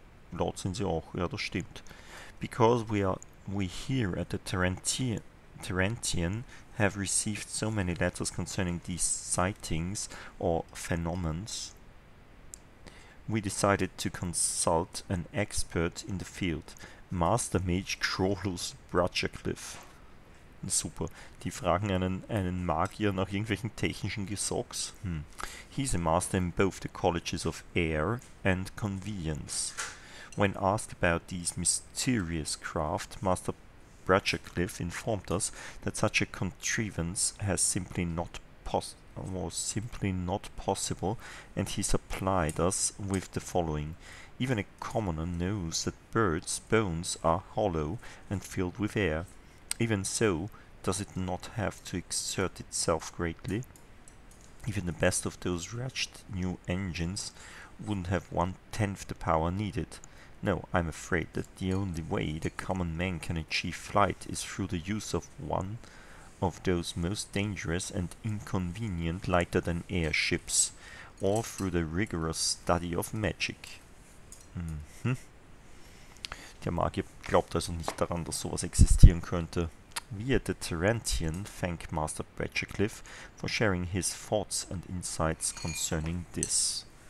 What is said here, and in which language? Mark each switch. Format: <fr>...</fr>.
<de>Laut sind sie auch, ja, das stimmt.</de> <en>Because we here at the Tarantian have received so many letters concerning these sightings or phenomena, we decided to consult an expert in the field, Master Mage Crawlus Brudgercliff.</en> <de>Super. Die fragen einen Magier nach irgendwelchen technischen Gesocks.</de> <en>He's a master in both the colleges of air and convenience. When asked about these mysterious craft, Master Bratchercliffe informed us that such a contrivance has simply not was simply not possible, and he supplied us with the following. Even a commoner knows that birds' bones are hollow and filled with air. Even so, does it not have to exert itself greatly? Even the best of those wretched new engines wouldn't have 1/10 the power needed. No, I'm afraid that the only way the common man can achieve flight is through the use of one of those most dangerous and inconvenient lighter-than-air ships, or through the rigorous study of magic.</en> <de>Der Magier glaubt also nicht daran, dass sowas existieren könnte.</de> <en>Wir, the Tarantian, thank Master Bratchercliffe for sharing his thoughts and insights concerning this.</en>